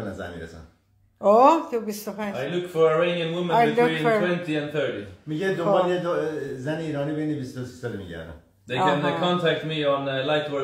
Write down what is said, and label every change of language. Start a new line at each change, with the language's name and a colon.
Persian: نظر میرسن
English: I look for Iranian women between 20 and 30
Persian: میگه دنبال یه زن ایرانی بین 23 سال میگردم
English: They can contact me on Lightwork.